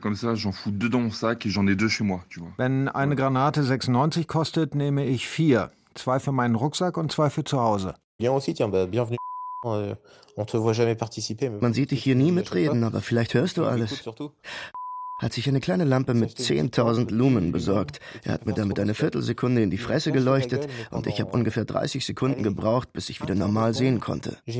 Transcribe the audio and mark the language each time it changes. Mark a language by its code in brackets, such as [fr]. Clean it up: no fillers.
[fr] Comme ça, j'en fous deux dans mon sac et j'en ai deux chez moi, tu vois. [de] Wenn eine Granate 6,90 kostet, nehme ich 4. Zwei für meinen Rucksack und zwei für zu Hause. [fr] Bien aussi, tiens, bah, bienvenue. On te voit jamais participer. [de] Man sieht dich hier nie mitreden, aber vielleicht hörst du alles. Hat sich eine kleine Lampe mit 10.000 Lumen besorgt. Er hat mir damit eine Viertelsekunde in die Fresse geleuchtet und ich habe ungefähr 30 Sekunden gebraucht, bis ich wieder normal sehen konnte.